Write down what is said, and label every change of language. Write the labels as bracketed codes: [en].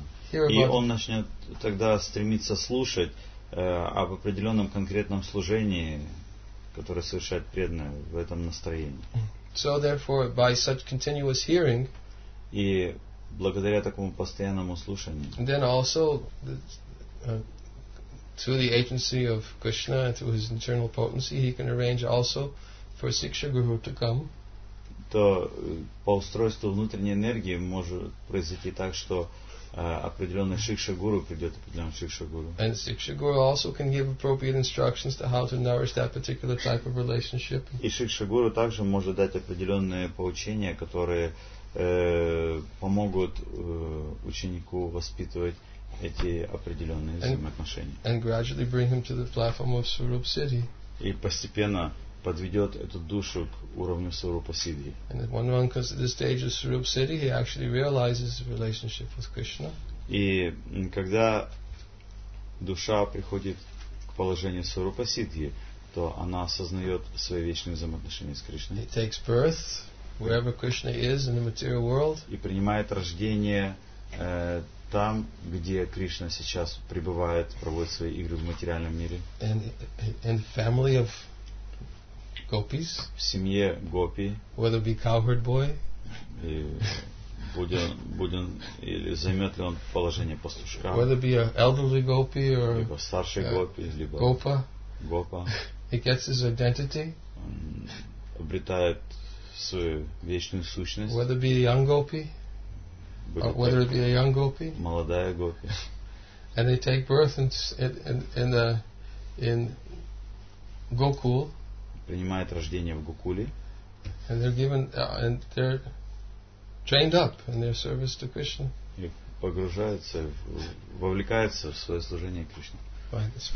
[ru] И он начнет тогда стремиться слушать об определенном конкретном служении, которое совершает преданное в этом настроении. [en] So therefore, by such continuous hearing, [ru] и благодаря такому постоянному слушанию. [en] Then also, through the agency of Krishna, through his internal potency, he can arrange also for Siksha Guru to come. [ru] То по устройству внутренней энергии может произойти так, что определенный Шикша Гуру придет, определенный Шикша Гуру. [en] And Siksha Guru also can give appropriate instructions to how to nourish that particular type of relationship. [ru] И Шикша Гуру также может дать определенные поучения, которые помогут ученику воспитывать эти определенные взаимоотношения. [en] And gradually bring him to the platform of Swarup Siddhi. [ru] И постепенно подведет эту душу к уровню Сурупа Сиддхи. [en] And when one comes to the stage of Swarup Siddhi, he actually realizes his relationship with Krishna. [ru] И когда душа приходит к положению Сурупа Сиддхи, то она осознает свои вечные взаимоотношения с Кришной. [en] He takes birth. wherever Krishna is in the material world, [ru] и принимает рождение там, где Кришна сейчас пребывает, проводит свои игры в материальном мире. [en] And family of gopis, [ru] в семье гопи, [en] whether it be cowherd boy, [ru] и будет или займет ли он положение пастушка, [en] whether it be an elderly gopi or [ru] либо старший гопи, либо [en] gopa, [ru] gopa, [en] he gets his identity, [ru] обретает свою вечную сущность, [en] whether it be a young gopi. Or whether it be a young gopi, [ru] молодая гопи, [en] and they take birth in Gokul, [ru] принимает рождение в Гокуле, [en] and they're given and they're trained up in their service to Krishna, [ru] и погружаются, вовлекаются в свое служение Кришне.